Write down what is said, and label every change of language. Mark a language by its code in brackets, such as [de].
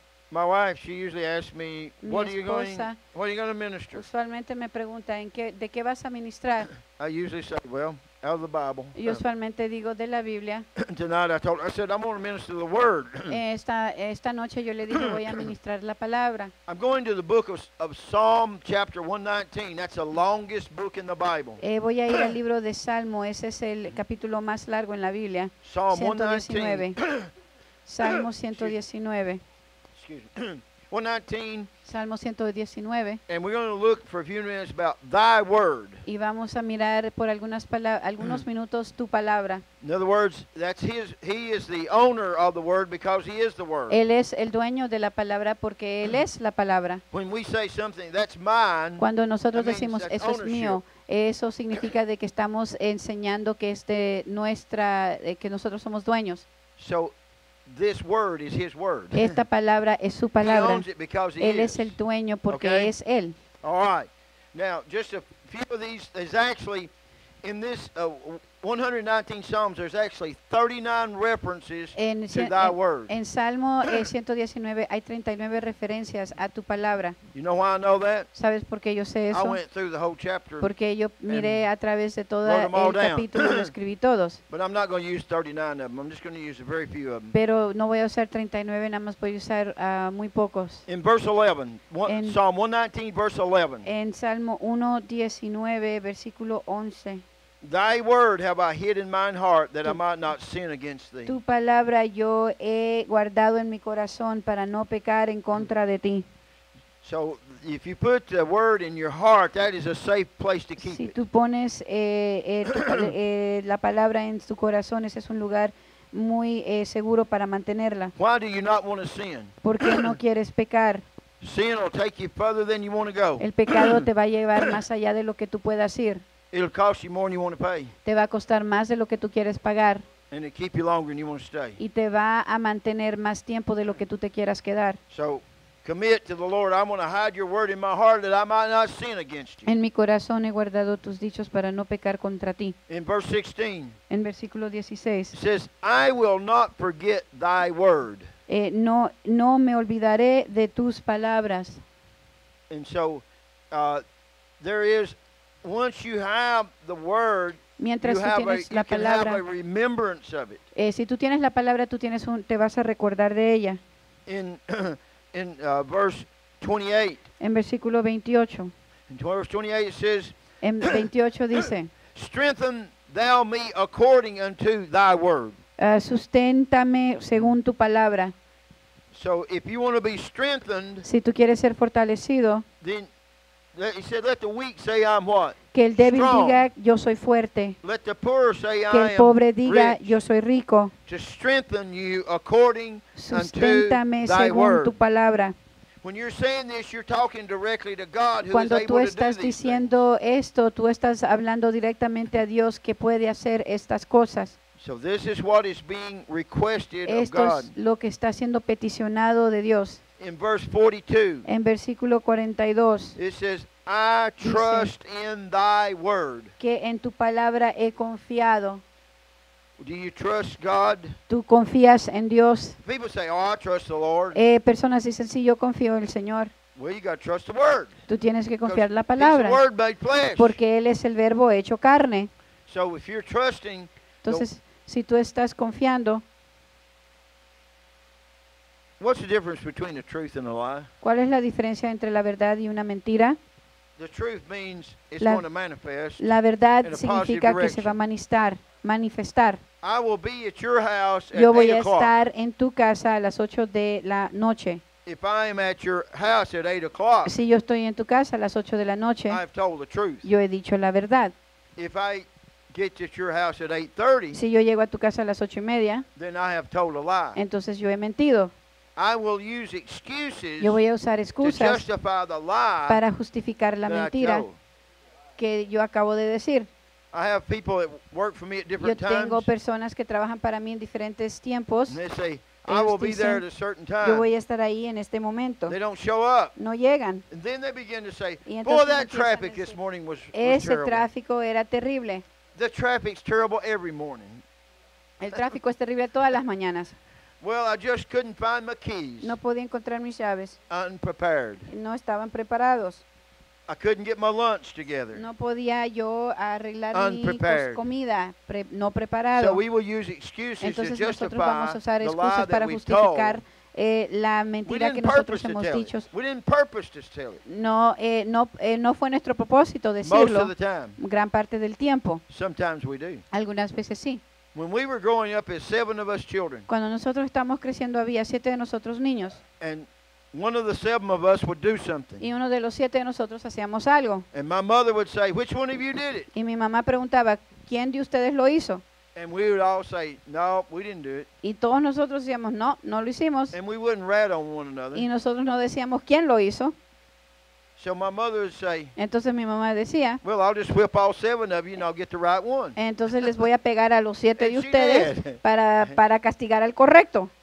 [en] My wife, she usually asks me, what are you going, what are you going to minister? [es] Usualmente me pregunta, ¿en qué, de qué vas a ministrar? [en] I usually say, well, out of the Bible. [es] Y usualmente digo de la Biblia. [en] Tonight I told her, I said, I'm going to minister the word. [es] Esta noche yo le dije, voy a ministrar la palabra. [en] I'm going to the book of Psalm chapter 119. That's the longest book in the Bible. [es] Voy a ir al libro de Salmo. Ese es el capítulo más largo en la Biblia. [en] Psalm 119. [es] Salmo 119. [en] Excuse me. 119. [es] Salmo 119. [en] And we're going to look for a few minutes about thy word. [es] Y vamos a mirar por algunas algunos minutos tu palabra. [en] In other words, that's his, he is the owner of the word because he is the word. [es] Él es el dueño de la palabra porque él es la palabra. [en] When we say something that's mine, [es] cuando nosotros decimos eso es mío, eso significa de que estamos enseñando que es de nuestra, que nosotros somos dueños. [en] So this word is his word. [es] Esta palabra es su palabra. [en] He owns it because he [es] él [en] is. [es] Es el dueño porque okay? es él. [en] All right. Now, just a few of these is actually in this 119 Psalms, there's actually 39 references to thy word. [es] En Salmo 119 hay 39 referencias a tu palabra. [en] You know why I know that? [es] ¿Sabes por qué yo sé eso? [en] I went through the whole chapter. [es] Porque yo miré a través de todo el capítulo y lo escribí todos. [en] But I'm not going to use 39 of them. I'm just going to use a very few of them. [es] Pero no voy a usar 39, nada más voy a usar muy pocos. [en] In verse 11, Psalm 119, verse 11. [es] En Salmo 119, versículo 11. [en] Thy word have I hid in mine heart that I might not sin against thee. [es] Tu palabra yo he guardado en mi corazón para no pecar en contra de ti. [en] So if you put the word in your heart, that is a safe place to keep it. [es] Si tú pones la palabra en tu corazón, ese es un lugar muy seguro para mantenerla. [en] Why do you not want to sin? [es] Porque no quieres pecar. [en] Sin will take you further than you want to go. [es] El pecado te va a llevar más allá de lo que tú puedas ir. [en] It'll cost you more than you want to pay. [es] Te va a costar más de lo que tú quieres pagar. [en] And it'll keep you longer than you want to stay. [es] Y te va a mantener más tiempo de lo que tú te quieras quedar. [en] So, commit to the Lord. I'm going to hide your word in my heart that I might not sin against you. [es] En mi corazón he guardado tus dichos para no pecar contra ti. [en] In verse 16. [es] En versículo 16. [en] It says, I will not forget thy word. [es] No me olvidaré de tus palabras. [en] And so, there is... Once you have the word, [es] mientras [en] you, have a, you [es] la palabra, [en] can have a remembrance of it. [es] Si tú tienes la palabra, tú tienes un, te vas a recordar de ella. [en] In verse 28. [es] En versículo 28. [en] In verse 28 it says. [es] En 28 dice. [en] Strengthen thou me according unto thy word. [es] Susténtame según tu palabra. [en] So if you want to be strengthened. [es] Si tú quieres ser fortalecido. [en] Then he said, let the weak say I'm what? [es] Que el débil diga, yo soy fuerte. [en] Let the poor say [es] que el pobre diga, [en] rich. [es] Yo soy rico. [en] To strengthen you according [es] susténtame [en] unto [es] según [en] thy word. [es] Tu palabra. [en] When you're saying this, you're talking directly to God who [es] cuando [en] is able [es] tú estás [en] to do [es] diciendo [en] these things. [es] Esto, tú estás hablando directamente a Dios que puede hacer estas cosas. [en] So this is what is being requested [es] esto [en] of God. [es] Es lo que está siendo peticionado de Dios. [en] In verse 42, [es] en versículo 42, [en] it says, I trust in thy word. [es] Que en tu palabra he confiado. [en] Do you trust God? [es] ¿Tú confías en Dios? [en] People say, oh, I trust the Lord. [es] Personas dicen, sí, yo confío en el Señor. [en] Well, you got to trust the word. [es] Tú tienes que confiar la palabra. [en] He's the word made flesh. [es] Porque Él es el verbo hecho carne. [en] So if you're trusting, [es] entonces, si tú estás confiando, [en] what's the difference between the truth and a lie? [es] ¿Cuál es la diferencia entre la verdad y una mentira? [en] The truth means it's going to manifest. [es] La verdad significa que se va a manifestar. [en] I will be at your house at [es] yo voy [en] 8 [es] a estar en tu casa a las 8 de la noche. [en] If I am at your house at 8 o'clock, [es] si yo estoy en tu casa a las 8 de la noche, [en] I have told the truth. [es] Yo he dicho la verdad. [en] If I get to your house at 8:30, [es] si yo llego a tu casa a las 8 y media, [en] then I have told a lie. [es] Entonces yo he mentido. [en] I will use excuses [es] yo voy a usar excusas [en] to justify the lie [es] para justificar la mentira que yo acabo de decir. [en] I have people that work for me at different times. [es] Yo tengo [en] times. [es] Personas que trabajan para mí en diferentes tiempos. [en] And they say, I will be there at a certain time. [es] Yo voy a estar ahí en este momento. [en] They don't show up. [es] No llegan. [en] And then they begin to say, boy, that traffic this morning was terrible. [es] Ese tráfico era terrible. [en] The traffic's terrible every morning. [es] El tráfico es terrible todas las mañanas. [en] Well, I just couldn't find my keys. [es] No podía encontrar mis llaves. [en] Unprepared. [es] No estaban preparados. [en] I couldn't get my lunch together. [es] No podía yo arreglar mi comida, no preparado. [en] So we will use excuses [es] entonces [en] to justify [es] nosotros vamos a usar excusas para justificar la mentira que nosotros hemos dicho. [en] We didn't purpose to tell it. [es] No fue nuestro propósito decirlo. [en] Most of the time. [es] Gran parte del tiempo. [en] Sometimes we do. [es] Algunas veces sí. [en] When we were growing up as seven of us children. [es] Cuando nosotros estamos creciendo había siete de nosotros niños. [en] And one of the seven of us would do something. [es] Y uno de los siete de nosotros hacíamos algo. [en] And my mother would say, which one of you did it? [es] Y mi mamá preguntaba, ¿quién de ustedes lo hizo? [en] And we would all say, no, we didn't do it. [es] Y todos nosotros decíamos, no, no lo hicimos. [en] And we wouldn't rat on one another. [es] Y nosotros no decíamos, ¿quién lo hizo? [en] So my mother would say, [es] entonces mi mamá decía, [en] well, I'll just whip all seven of you and I'll get the right one. [es] Entonces les voy a pegar a los siete de ustedes para castigar al correcto.